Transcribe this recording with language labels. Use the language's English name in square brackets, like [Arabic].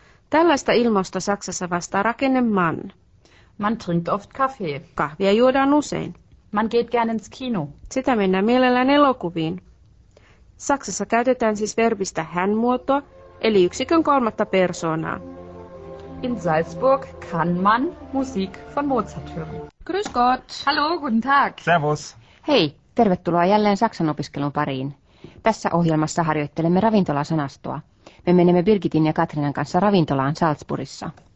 [Finnish] Tällaista ilmausta Saksassa vastaa rakenne man. [German] Man trinkt oft Kaffee. [Finnish] Kahvia juodaan usein. [German] Man geht gern ins Kino. [Finnish] Sitä mennään mielellään elokuviin. Saksassa käytetään siis verbistä hän-muotoa, eli yksikön kolmatta persoonaa. [German] In Salzburg kann man Musik von Mozart hören. Grüß Gott. Hallo, guten Tag. Servus. [Finnish] Hei, tervetuloa jälleen Saksan opiskelun pariin. Tässä ohjelmassa harjoittelemme ravintolasanastoa. Me menemme Birgitin ja Katrinan kanssa ravintolaan Salzburgissa.